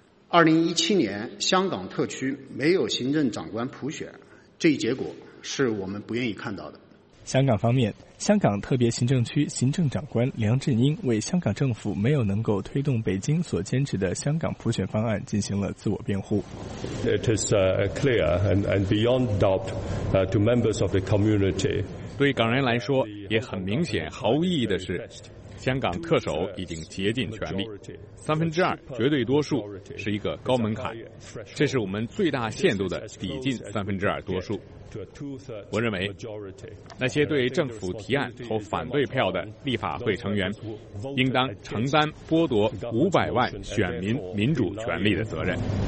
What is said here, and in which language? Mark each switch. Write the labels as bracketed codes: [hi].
[zh] 2017年香港特区没有行政长官普选，这一结果是我们不愿意看到的。香港方面，香港特别行政区行政长官梁振英为香港政府没有能够推动北京所坚持的香港普选方案进行了自我辩护。 [en] It is clear and beyond doubt to members of the community. [zh] 对港人来说也很明显毫无意义的是，香港特首已经竭尽全力，2/3绝对多数是一个高门槛，这是我们最大限度的抵近2/3多数。我认为那些对政府提案投反对票的立法会成员应当承担剥夺500万选民民主权利的责任。